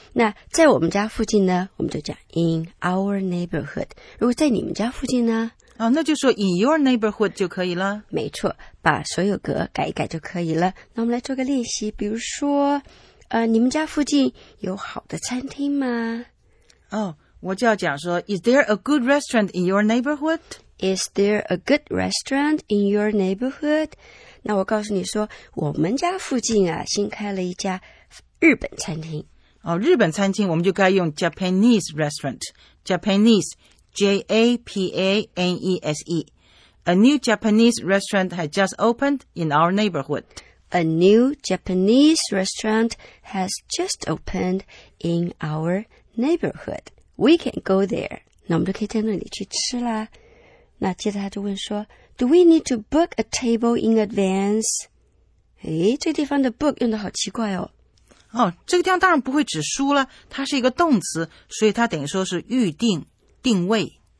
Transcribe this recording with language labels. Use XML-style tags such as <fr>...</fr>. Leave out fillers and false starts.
<zh>那在我们家附近呢，我们就讲</zh> <en>in our neighborhood。</en> <zh>如果在你们家附近呢，哦，那就说</zh> <en>in your neighborhood</en> <zh>就可以了。没错，把所有格改一改就可以了。那我们来做个练习，比如说你们家附近有好的餐厅吗？哦，我就要讲说</zh> <en>Is there a good restaurant in your neighborhood? Is there a good restaurant in your neighborhood?</en> <zh>那我告诉你说，我们家附近啊，新开了一家日本餐厅。哦，日本餐厅我们就该用</zh> <en>Japanese restaurant.</en> <zh>Japanese, J-A-P-A-N-E-S-E.</zh> <en>A new Japanese restaurant had just opened in our neighborhood. A new Japanese restaurant has just opened in our neighborhood. We can go there.</en> <zh>那我们就可以在那里去吃啦。那接着他就问说</zh> <en>Do we need to book a table in advance?</en> <zh>诶，这个地方的 book 用得好奇怪哦。哦，这个地方当然不会指书了，它是一个动词，所以它等于说是预定、定位。</zh>